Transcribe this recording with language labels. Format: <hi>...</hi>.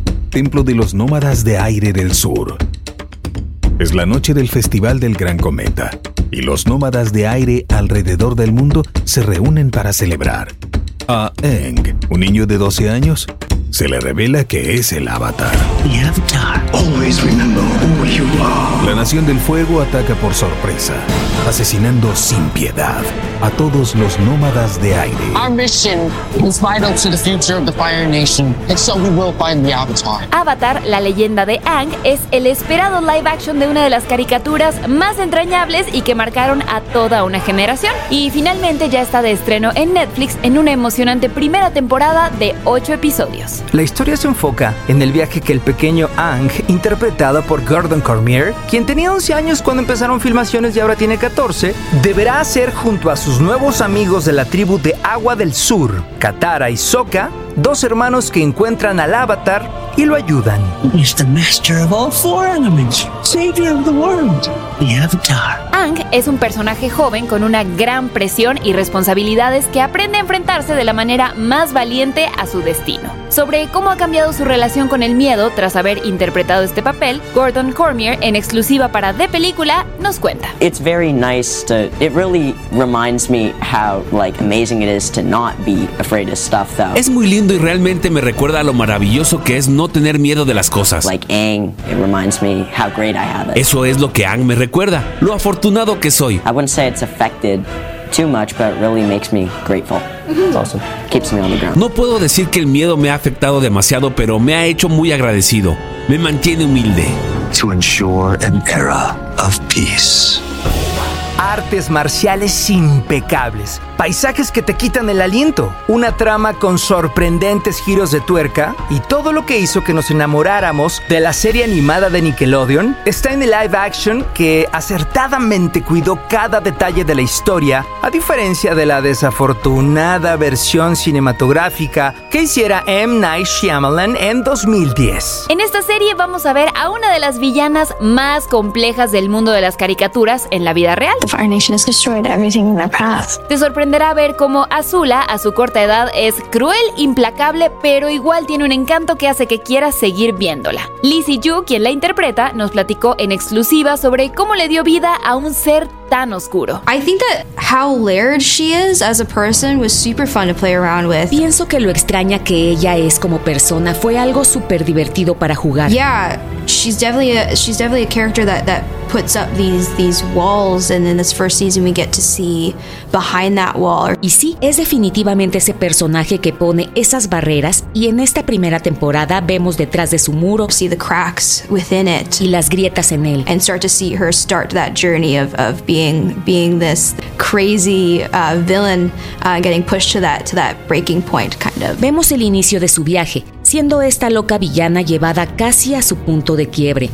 <es>Templo de los Nómadas de Aire del Sur. Es la noche del Festival del Gran Cometa, y los Nómadas de Aire alrededor del mundo se reúnen para celebrar. A Aang, un niño de 12 años, se le revela que es el Avatar.</es> <en>The Avatar. Always remember who you are.</en> <es>La Nación del Fuego ataca por sorpresa, asesinando sin piedad a todos los Nómadas de Aire.</es> <en>Our mission is vital to the future of the Fire Nation, and so we will find the Avatar.</en> <es>Avatar, la leyenda de Aang, es el esperado live action de una de las caricaturas más entrañables y que marcaron a toda una generación. Y finalmente ya está de estreno en Netflix en una emocionante primera temporada de 8 episodios. La historia se enfoca en el viaje que el pequeño Aang, interpretado por Gordon Cormier, quien tenía 11 años cuando empezaron filmaciones y ahora tiene 14, deberá hacer junto a sus nuevos amigos de la tribu de Agua del Sur, Katara y Sokka, dos hermanos que encuentran al Avatar y lo ayudan.</es> <en>He's the master of all four elements, savior of the world, the Avatar.</en> <es>Aang es un personaje joven con una gran presión y responsabilidades que aprende a enfrentarse de la manera más valiente a su destino. Sobre cómo ha cambiado su relación con el miedo tras haber interpretado este papel, Gordon Cormier, en exclusiva para The Película, nos cuenta.</es> <en>It's very nice to, it really reminds me how like amazing it is to not be afraid of stuff though.</en> <es>Es muy lindo y realmente me recuerda a lo maravilloso que es no tener miedo de las cosas.</es> <en>Like Aang, it reminds me how great I have it.</en> <es>Eso es lo que Aang me recuerda, lo afortunado que soy.</es> <en>I wouldn't say it's affected too much, but it really makes me grateful. It's awesome. Keeps me on the ground.</en> <es>No puedo decir que el miedo me ha afectado demasiado, pero me ha hecho muy agradecido. Me mantiene humilde.</es> <en>To ensure an era of peace.</en> <es>Artes marciales impecables, paisajes que te quitan el aliento, una trama con sorprendentes giros de tuerca y todo lo que hizo que nos enamoráramos de la serie animada de Nickelodeon está en el live action, que acertadamente cuidó cada detalle de la historia, a diferencia de la desafortunada versión cinematográfica que hiciera M. Night Shyamalan en 2010. En esta serie vamos a ver a una de las villanas más complejas del mundo de las caricaturas en la vida real.</es> <en>The Fire Nation has destroyed everything in their path.</en> <es>Te sorprenderá ver cómo Azula, a su corta edad, es cruel, implacable, pero igual tiene un encanto que hace que quieras seguir viéndola. Lizzie Yu, quien la interpreta, nos platicó en exclusiva sobre cómo le dio vida a un ser tan oscuro.</es> <en>I think that how layered she is as a person was super fun to play around with.</en> <es>Pienso que lo extraña que ella es como persona fue algo super divertido para jugar.</es> <en>Yeah, she's definitely a character that puts up these walls, and in this first season we get to see behind that wall.</en> <es>Y sí, es definitivamente ese personaje que pone esas barreras, y en esta primera temporada vemos detrás de su muro.</es> <en>See the cracks within it.</en> <es>Y las grietas en él.</es> <en>And start to see her start that journey of being this crazy villain, getting pushed to that breaking point, kind of.</en> <es>Vemos el inicio de su viaje. siendo esta loca villana llevada casi a su punto de quiebre.</es>